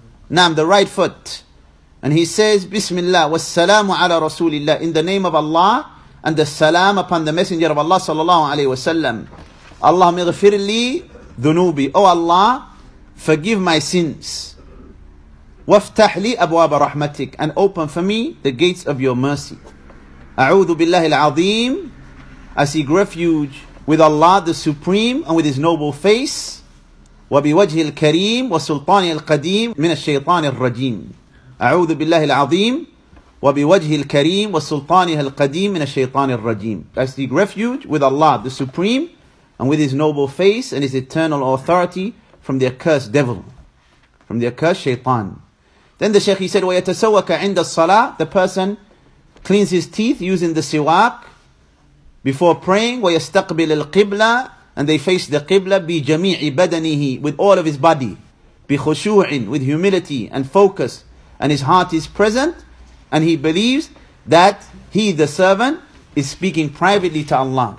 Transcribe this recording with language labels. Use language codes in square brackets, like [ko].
[en] Naam, the right foot. And he says, Bismillah, wassalamu ala rasulillah, in the name of Allah, and the salam upon the Messenger of Allah sallallahu alayhi wa sallam. Allahumma ighfir li dhunubi. O Allah, forgive my sins. [ar] وافتح لي أبواب رحمتك, [en] and open for me the gates of your mercy. [ar] أعوذ بالله العظيم, [en] I seek refuge with Allah the Supreme and with His noble face. [ar] وبوجه الكريم وسلطان القديم من الشيطان الرجيم. أعوذ بالله العظيم وبوجه الكريم وسلطانه القديم من الشيطان الرجيم. [en] I seek refuge with Allah the Supreme and with His noble face and His eternal authority from the accursed devil, from the accursed shaitan. Then the Shaykh, he said, [ar] وَيَتَسَوَّكَ عِنْدَ الصَّلَاةِ, [en] the person cleans his teeth using the siwak before praying, [ar] وَيَسْتَقْبِلِ الْقِبْلَى, [en] and they face the qibla, [ar] بِجَمِيعِ بَدَنِهِ, [en] with all of his body, بِخُشُوعٍ, with humility and focus, and his heart is present, and he believes that he, the servant, is speaking privately to Allah.